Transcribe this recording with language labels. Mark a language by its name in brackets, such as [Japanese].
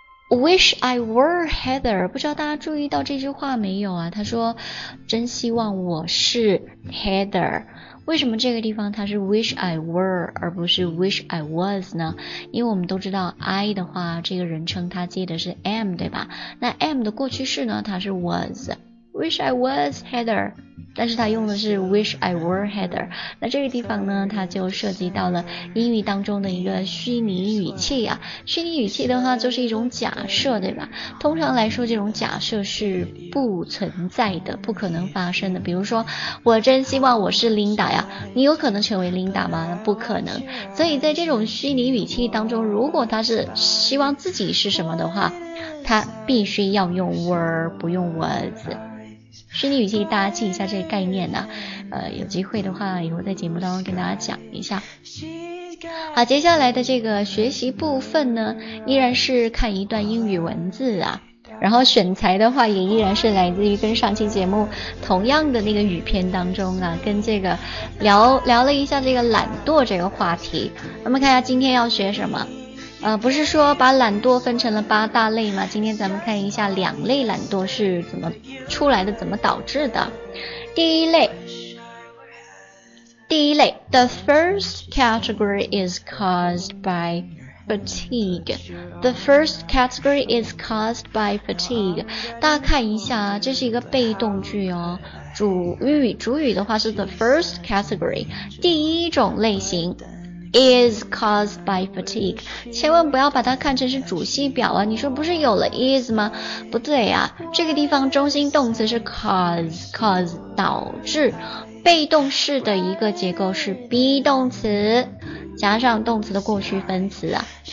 [English] Wish I were Heather， [Chinese] 不知道大家注意到这句话没有啊？他说，真希望我是 Heather。为什么这个地方它是 [English] wish I were [Chinese] 而不是 [English] wish I was [Chinese] 呢？因为我们都知道 I 的话，这个人称它接的是 am， 对吧？那 am 的过去式呢，它是 was。 [English] Wish I was Heather， [Chinese] 但是他用的是 [English] wish I were Heather。 [Chinese] 那这个地方呢，他就涉及到了英语当中的一个虚拟语气啊。虚拟语气的话就是一种假设，对吧？通常来说这种假设是不存在的，不可能发生的。比如说，我真希望我是 Linda 呀，你有可能成为 Linda 吗？不可能。所以在这种虚拟语气当中，如果他是希望自己是什么的话，他必须要用 were 不用 was。虚拟语气，大家记一下这个概念呢、啊。有机会的话，以后在节目当中跟大家讲一下。好，接下来的这个学习部分呢，依然是看一段英语文字啊。然后选材的话，也依然是来自于跟上期节目同样的那个语片当中啊，跟这个聊聊了一下这个懒惰这个话题。我们看一下今天要学什么。不是说把懒惰分成了八大类吗？今天咱们看一下两类懒惰是怎么出来的，怎么导致的。第一类 [English] The first category is caused by fatigue. The first category is caused by fatigue. [Chinese] 大家看一下，这是一个被动句哦。主语的话是 [English] the first category， [Chinese] 第一种类型 [English] is caused by fatigue， [Chinese] 千万不要把它看成是主系表啊，你说不是有了 is 吗？不对啊，这个地方中心动词是 cause 导致，被动式的一个结构是 be 动词加上动词的过去分词啊。